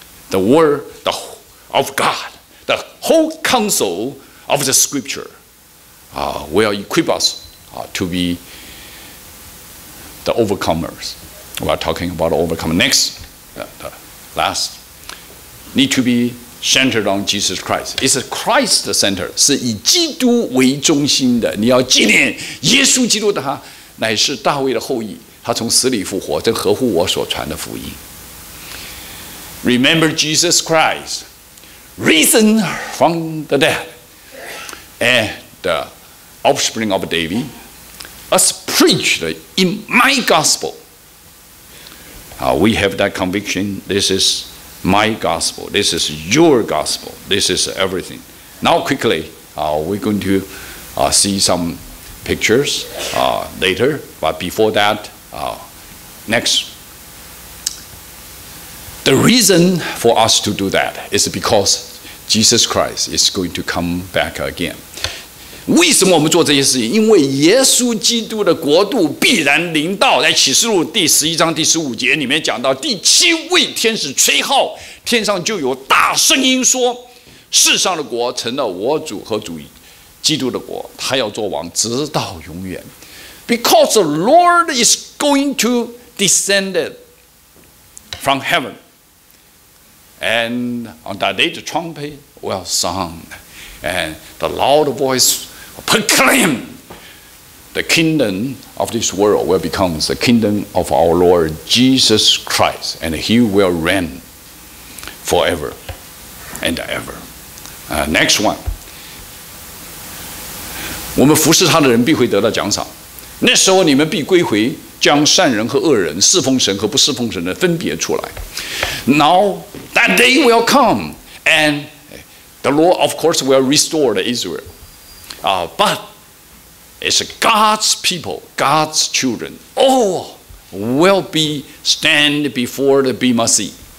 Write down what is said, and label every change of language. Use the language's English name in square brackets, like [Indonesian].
[English] The word of God, the whole counsel of the scripture. Will equip us to be the overcomers. We are talking about overcome. Next, the last, need to be centered on Jesus Christ. It's a Christ center. [Chinese] 是以基督为中心的。你要纪念耶稣基督的他乃是大卫的后裔，他从死里复活，这合乎我所传的福音。 [English] Remember Jesus Christ, risen from the dead, and the offspring of David, as preached in my gospel. We have that conviction. This is my gospel. This is your gospel. This is everything. Now quickly, we're going to see some pictures later. But before that, next. The reason for us to do that is because Jesus Christ is going to come back again. [Chinese] 为什么我们做这些事情？因为耶稣基督的国度必然临到，在启示录第十一章第十五节里面讲到，第七位天使吹号，天上就有大声音说，世上的国成了我主和主基督的国，他要做王直到永远。 [English] Because the Lord is going to descend from heaven, and on that day the trumpet will sound, and the loud voiceproclaim the kingdom of this world will become the kingdom of our Lord Jesus Christ, and he will reign forever and ever. Next one. [Chinese] 我们服侍他的人必会得到奖赏。那时候你们必归回，将善人和恶人、侍奉神和不侍奉神的分别出来。 [English] Now that day will come, and the Lord of course will restore the Israel.But It's God's people, God's children. All will be stand before the Bema Seat.